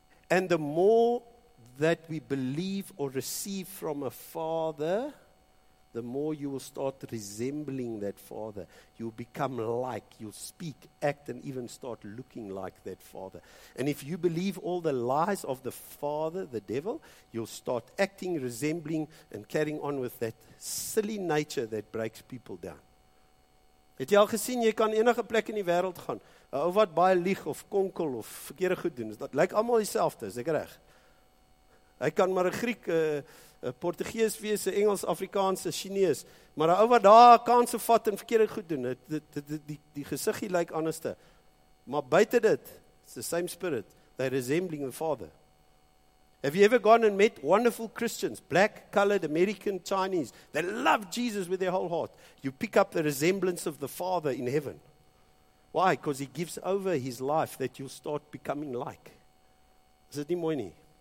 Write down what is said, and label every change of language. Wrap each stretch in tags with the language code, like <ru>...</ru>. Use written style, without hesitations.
<en>And the more that we believe or receive from a father, the more you will start resembling that father. You'll become like, you'll speak, act, and even start looking like that father. And if you believe all the lies of the father, the devil, you'll start acting, resembling, and carrying on with that silly nature that breaks people down.</en> <af>Het jy al gesien, jy kan enige plek in die wêreld gaan, of wat baie lieg, of konkel, of verkeerde goed doen, dat lyk allemaal dieselfde, is ek reg? Hy kan maar een Griek, een Portugees wees, een Engels, Afrikaans, een Chinees, maar een ou wat daar kansen vat en verkeerde goed doen, die gezichtie lyk anders te. Maar buiten dit,</af> <en>it's the same spirit, they're resembling the father. Have you ever gone and met wonderful Christians, black, colored, American, Chinese, that love Jesus with their whole heart? You pick up the resemblance of the Father in heaven. Why? Because he gives over his life that you'll start becoming like.</en> <af>Is it nie mooi nie?</af>